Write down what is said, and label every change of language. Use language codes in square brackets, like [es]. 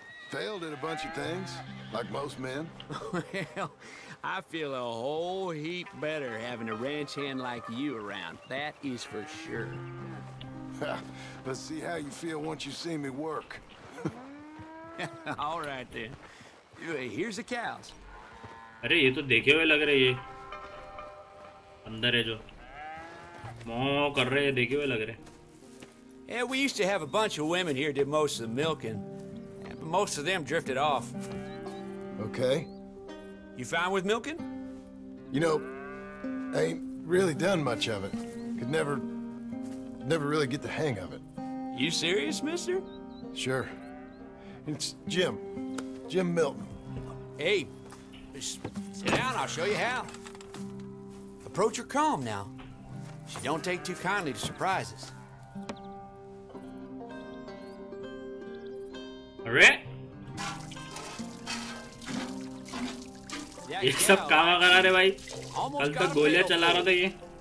[en] Failed at a bunch of things, like most men. Well, I feel a whole heap better having a ranch hand like you around. That is for sure. Let's see how you feel once you see me work. All right, then. Here's the cows. [hi] अरे ये तो देखे हुए लग रहे हैं, ये अंदर है जो मौ कर रहे हैं, देखे हुए लग रहे हैं. [en] Yeah, we used to have a bunch of women here did most of the milking. Most of them drifted off. Okay. You fine with milking? You know, I ain't really done much of it. Could never really get the hang of it. You serious, mister? Sure. It's Jim. Jim Milton. Hey, sit down, I'll show you how. Approach her calm now. She don't take too kindly to surprises. [hi] ये सब कहाँ करा रहे भाई, कल तक गोलियां चला रहा था ये.